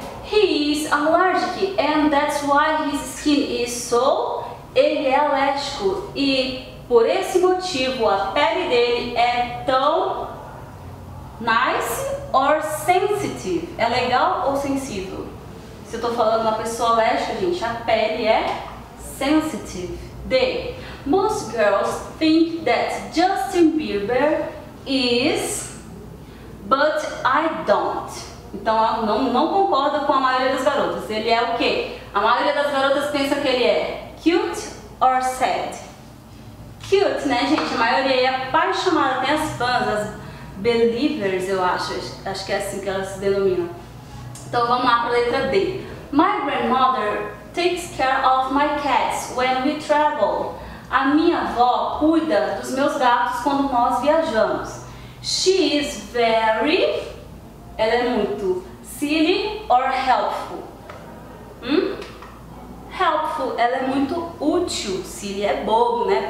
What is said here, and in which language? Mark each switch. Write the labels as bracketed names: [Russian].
[English] He is allergic and that's why his skin is so... [Portuguese] Ele é alérgico e... Por esse motivo, a pele dele é tão [English] nice or sensitive. [Portuguese] É legal ou sensível? Se eu tô falando uma pessoa alérgica, gente, a pele é sensitive. D. [English] Most girls think that Justin Bieber is, but I don't. [Portuguese] Então, eu não concordo com a maioria das garotas. Ele é o quê? A maioria das garotas pensa que ele é [English] cute or sad. [Portuguese] Cute, né, gente? A maioria é apaixonada, tem as fãs, as believers, eu acho. Acho que é assim que elas se denominam. Então vamos lá para a letra D. [English] My grandmother takes care of my cats when we travel. [Portuguese] A minha avó cuida dos meus gatos quando nós viajamos. [English] She is very... [Portuguese] Ela é muito [English] silly or helpful? [Portuguese] Helpful, ela é muito útil. Silly é bobo, né?